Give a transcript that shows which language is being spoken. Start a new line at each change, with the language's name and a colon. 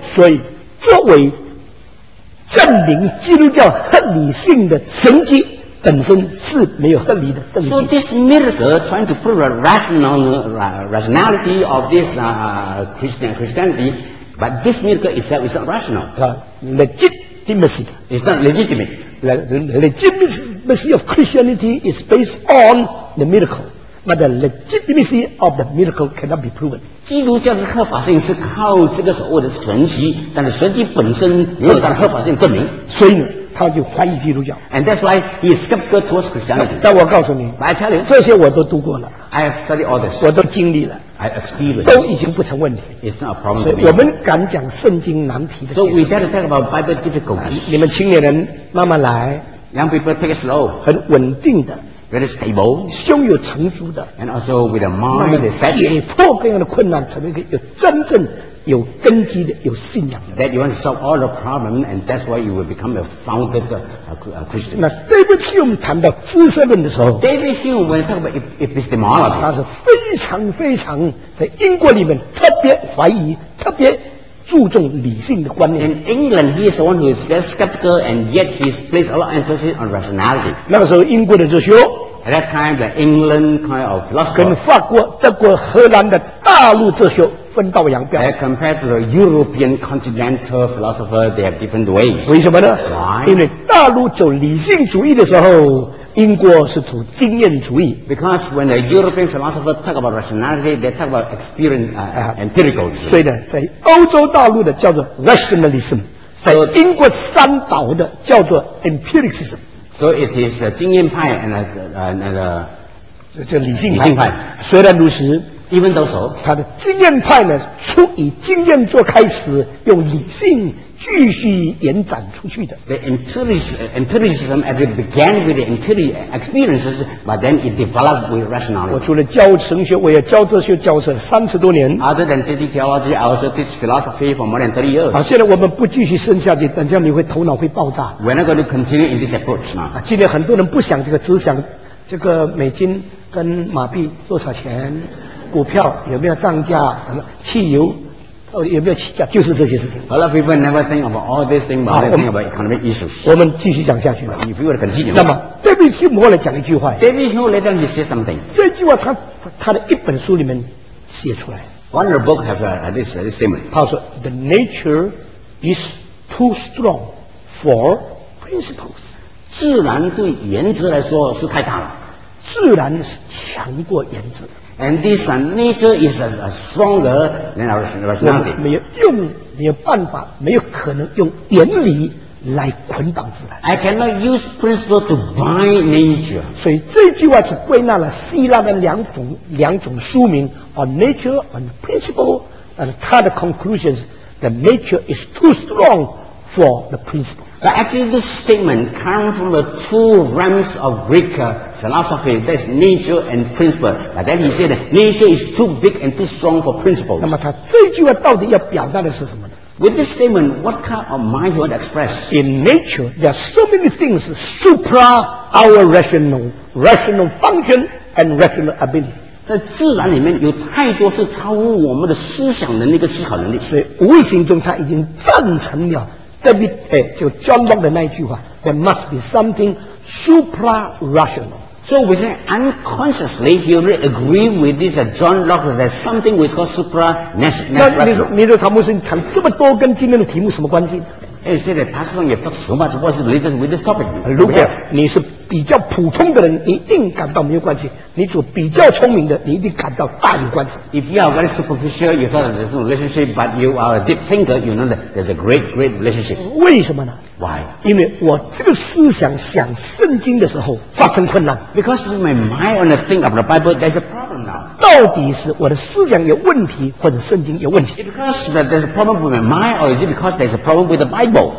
Chinese: 所以，作为证明基督教合理性的神迹。本身是没有合理的证据。
English: So this miracle trying to prove rationality of this Christianity, but this miracle itself is not rational. Legitimacy. It's not legitimate. Legitimacy of Christianity is based on the miracle, but the legitimacy of the miracle cannot be proven.
Chinese: 基督教的合法性是靠这个所谓的神迹，但是神迹本身没有它的合法性证明。所以呢？他就怀疑基督教
English: ，and that's why he is skeptical towards Christianity.
Chinese: 但我告诉你
English: ，I tell you，
Chinese: 这些我都读过了
English: ，I have studied all this，
Chinese: 我都经历了
English: ，I experienced，
Chinese: 都已经不成问题
English: ，it's not a problem。
Chinese: 所以我们敢讲圣经难题的
English: ，so we dare to talk about Bible difficulties。
Chinese: 你们青年人慢慢来
English: ，young people take it slow，
Chinese: 很稳定的
English: ，very stable，
Chinese: 胸有成竹的
English: ，and also with a mind that's set，
Chinese: 解破各样的困难，成为一个有真正。有根基的有信仰的
English: that you want to solve all the problem and that's why you will become a founded Christian
Chinese: 那 David Hume 谈到知识论的时候
English: David Hume when talk about epistemology
Chinese: 他是非常非常在英国里面特别怀疑特别注重理性的观念
English: in England he is the one who is very skeptical and yet he places a lot of emphasis on rationality
Chinese: 那个时候英国的哲学
English: at that time the England kind of philosopher
Chinese: 跟法国德国荷兰的大陆哲学分道扬镳。
English: As compared to the European continental philosopher, they have different ways.
Chinese: 为什么呢
English: ？Why？
Chinese: 因为大陆走理性主义的时候，英国是走经验主义。
English: Because when the European philosopher talk about rationality, they talk about experience, empirical.
Chinese: 所以呢，在欧洲大陆的叫做 rationalism， 在英国三岛的叫做 empiricism。
English: So it is the 经验派 and the
Chinese: 这理性派。理性派。虽然如此。
English: Even though so,
Chinese: 他的经验派呢，出以经验做开始，用理性继续延展出去的。
English: The empiricism as it began with the empiric experiences, but then it developed with rationality.
Chinese: 我除了教神学，我也教哲学，教了30多年。
English: Other than teaching theology, I also teach philosophy for more than 30 years.
Chinese: 现在我们不继续深下去，等下你会头脑会爆炸。
English: We're not going to continue in this approach, 嘛。
Chinese: 今天很多人不想这个，只想这个美金跟马币多少钱。股票有没有涨价？汽油有没有起价？就是这些事情。
English: A lot of people never think about all these things, but they think about economic issues.
Chinese: 我们继续讲下去吧。
English: If you were to continue.
Chinese: 那么 ，David Hume 后来讲一句话。
English: David Hume later he said something.
Chinese: 这句话他的一本书里面写出来。
English: One of the book have this statement.
Chinese: 他说
English: ，The nature is too strong for principles.
Chinese: 自然对原则来说是太大了。自然是强过原则。
English: And this nature is a stronger than our rationality.
Chinese: 我们没有用，没有办法，没有可能用原理来捆绑自然。
English: I cannot use principle to bind nature.
Chinese: 所以这句话是归纳了希腊的两种书名
English: ，On Nature and Principle， and
Chinese: 它的
English: conclusion is the nature is too strong for the principle. But actually, this statement comes from the two realms of Greek philosophy, that's nature and principle. But then he said, nature is too big and too strong for principles.
Chinese: 那么他这句话到底要表达的是什么呢
English: ？With this statement, what kind of mind he would express? In nature, there are so many things supra our rational function and rational ability.
Chinese: 在自然里面有太多是超乎我们的思想能力跟思考能力，所以无形中他已经赞成了。
English: David, 就 John Locke
Chinese: 的那一句话
English: There must be something supra-rational So we say unconsciously, he already agreed with this John Locke that something which is called supranatural.
Chinese: 那你的草木星谈这么多跟今天的题目什么关系？
English: And you say that Pastor Song, you've talked so much, what's the latest with this topic?
Chinese: 如果你是比较普通的人，你一定感到没有关系；你所比较聪明的，你一定感到大有关系。
English: If you are very superficial, you thought there's no relationship, but you are a deep thinker, you know that there's a great, great relationship.
Chinese: 为什么呢？
English: Why?
Chinese: 因为我这个思想想圣经的时候发生困难。
English: Because when my mind on the thing of the Bible, there's a problem now.
Chinese: 到底是我的思想有问题，或者圣经有问题？
English: Because that there's a problem with my mind, or is it because there's a problem with the Bible?